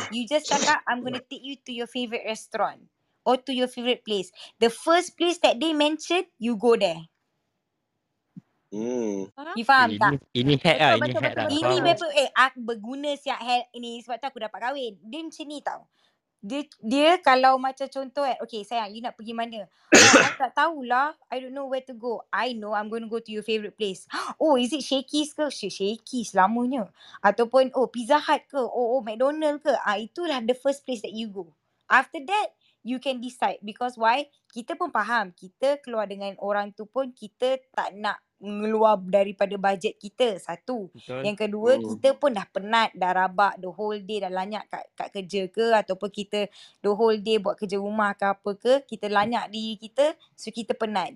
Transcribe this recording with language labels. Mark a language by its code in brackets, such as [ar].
[en] You just [ms] cakap, [en] I'm going to take you to your favorite restaurant or to your favorite place. The first place that they mention, you go there. Hmm. You [ms] faham ini, tak? Ini hack lah. Ini berguna siap hack ini sebab tu aku dapat kahwin. Dia macam ni tau. Dia kalau macam contoh kan, okay sayang, you nak pergi mana? I tak tahulah, [en] I don't know where to go. I know I'm going to go to your favorite place. [ms] Oh, [en] is it [ms] Shakey's ke? Shakey's lamanya. Ataupun, oh, Pizza Hut ke? Oh, McDonald's ke? Itulah [en] the first place that you go. After that, you can decide. Because why? [ms] Kita pun faham. Kita keluar dengan orang tu pun, kita tak nak ngeluar daripada bajet kita. Satu. Betul. Yang kedua, kita pun dah penat, dah rabak [en] the whole day, [ms] dah lanyak kat kerja ke, ataupun kita the whole day buat kerja rumah ke apa ke, kita lanyak diri kita, so kita penat.